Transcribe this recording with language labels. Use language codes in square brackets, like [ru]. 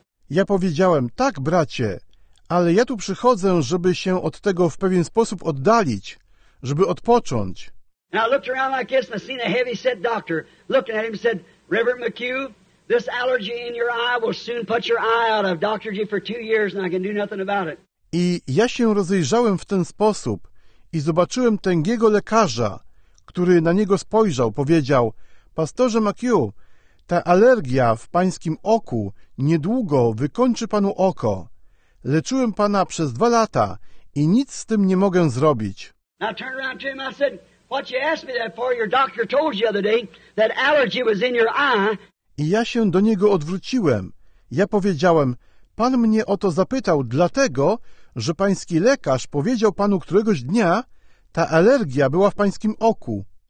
[pl] Ja powiedziałem, tak, bracie, ale ja tu przychodzę, żeby się od tego w pewien sposób oddalić, żeby odpocząć. [en] I looked around like this and I seen a heavy set doctor looking at him and said, Reverend McHugh, this allergy in your eye will soon put your eye out. I've doctored you for 2 years and I can do nothing about it. [pl] I ja się rozejrzałem w ten sposób i zobaczyłem tęgiego lekarza, który na niego spojrzał, powiedział, pastorze McHugh, Ta alergia w pańskim oku niedługo wykończy panu oko. Leczyłem pana przez 2 lata i nic z tym nie mogę zrobić. [en] Now turn around to him. I said, what you asked me that for? Your doctor told you the other day that allergy was in your eye. [pl] I ja się do niego odwróciłem. Ja powiedziałem, pan mnie o to zapytał dlatego, że pański lekarz powiedział panu któregoś dnia, ta alergia była w pańskim oku.